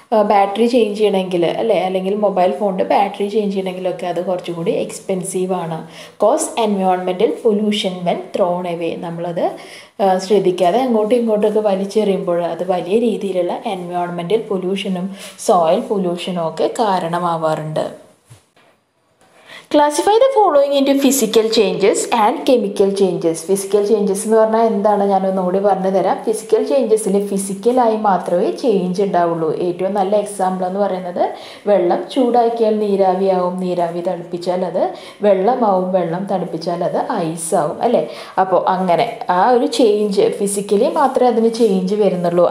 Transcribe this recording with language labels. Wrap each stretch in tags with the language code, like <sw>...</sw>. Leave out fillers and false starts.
<ml>Battery change ചെയ്യണമെങ്കിൽ അല്ലേ അല്ലെങ്കിൽ മൊബൈൽ ഫോണിൻ്റെ ബാറ്ററി ചേഞ്ച് ചെയ്യണമെങ്കിലൊക്കെ അത് കുറച്ചും കൂടി എക്സ്പെൻസീവാണ്</ml> <en>cause environmental pollution when thrown away</en> <ml>നമ്മളത് ശ്രദ്ധിക്കാതെ അങ്ങോട്ടും ഇങ്ങോട്ടൊക്കെ വലിച്ചെറിയുമ്പോൾ അത് വലിയ രീതിയിലുള്ള എൻവയോൺമെൻറ്റൽ പൊല്യൂഷനും സോയിൽ പൊല്യൂഷനും ഒക്കെ കാരണമാവാറുണ്ട്</ml> <en>Classify the following into physical changes and chemical changes.</en> <ml>Physical changes എന്ന് പറഞ്ഞാൽ എന്താണ്? ഞാൻ ഒന്നുകൂടി പറഞ്ഞുതരാം. ഫിസിക്കൽ ചേഞ്ചസിൽ ഫിസിക്കലായി മാത്രമേ ചേഞ്ച് ഉണ്ടാവുള്ളൂ. ഏറ്റവും നല്ല എക്സാമ്പിൾ എന്ന് പറയുന്നത് വെള്ളം ചൂടാക്കിയാൽ നീരാവിയാവും, നീരാവി തണുപ്പിച്ചാൽ അത് വെള്ളമാവും, വെള്ളം തണുപ്പിച്ചാൽ അത് ഐസാവും, അല്ലേ? അപ്പോൾ അങ്ങനെ ആ ഒരു ചേഞ്ച് ഫിസിക്കലി മാത്രമേ അതിന് ചേഞ്ച് വരുന്നുള്ളൂ.</ml>